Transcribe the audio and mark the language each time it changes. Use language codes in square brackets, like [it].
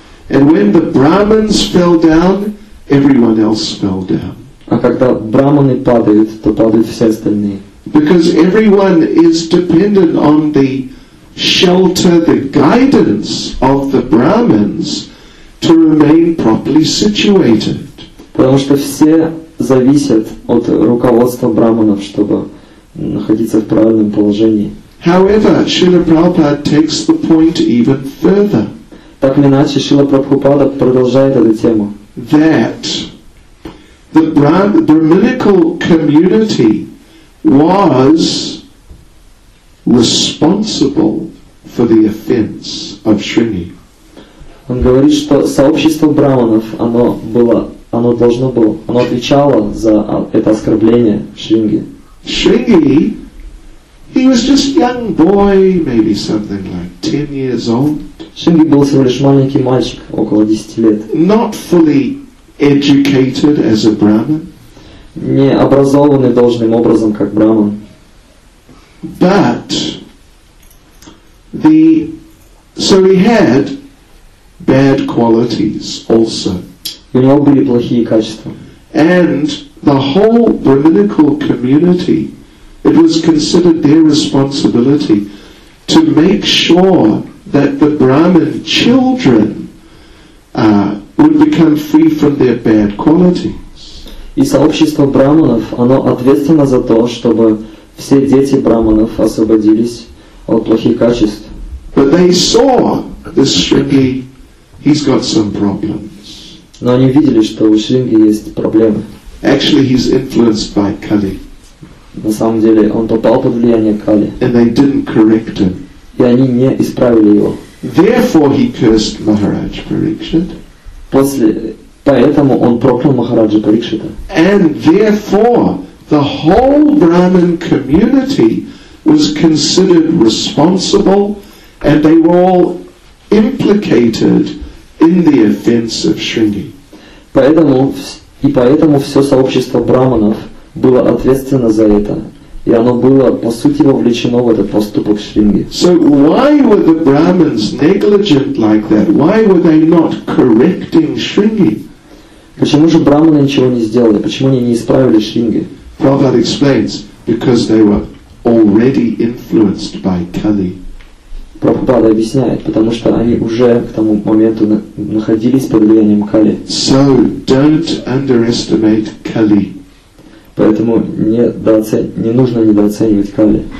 [en] And when the Brahmins fell down, everyone else fell down. [ru] А когда брахманы падают, то падают все остальные. [en] Because everyone is dependent on the shelter, the guidance of the Brahmins to remain properly situated. [ru] Потому что все зависят от руководства брахманов, чтобы находиться в правильном положении. [en] However, Srila Prabhupada takes the point even further. [ru] Так или иначе, Шрила Прабхупада продолжает эту тему. [en] that the Brahminical community was responsible for the offense of Shrini. [ru] Он говорит, что сообщество браманов, оно было, оно должно было, оно отвечало за это оскорбление Шринги. [en] Шринги, he was just young boy, maybe something like 10 years old. [ru] Шринги был всего лишь маленький мальчик, около 10 лет. [en] Not fully educated as a brahman. [ru] Не образованный должным образом как браман. [en] But the so he had bad qualities also. [ru] У него были плохие качества. [en] And the whole Brahminical community, it was considered their responsibility to make sure that the Brahmin children would become free from their bad qualities. [ru] И сообщество браманов, оно ответственно за то, чтобы все дети браманов освободились от плохих качеств. [en] But they saw this Shrinki, he's got some problems. [ru] Но они видели, что у Шринги есть проблемы. [en] Actually, he's influenced by Kali. [ru] На самом деле, он попал под влияние Кали. [en] And they didn't correct him. [ru] И они не исправили его. [en] Therefore, he cursed Maharaj Parikshit. [ru] Поэтому он проклял Махараджа Парикшита. [en] And therefore, the whole Brahmin community was considered responsible, and they were all implicated in the offense of Shrinki. [ru] Поэтому все сообщество браманов было ответственно за это, и оно было по сути вовлечено в этот поступок Шринги. [en] So why were the Brahmins negligent like that? Why were they not correcting Shrinki? [ru] Почему же браманы ничего не сделали? Почему они не исправили Шринги? [en] Prabhupada explains, because they were already influenced by Kali. [ru] Prabhupada объясняет, потому что они уже к тому моменту находились под влиянием Кали. [en] So don't underestimate Kali. [ru] Поэтому не нужно недооценивать Кали.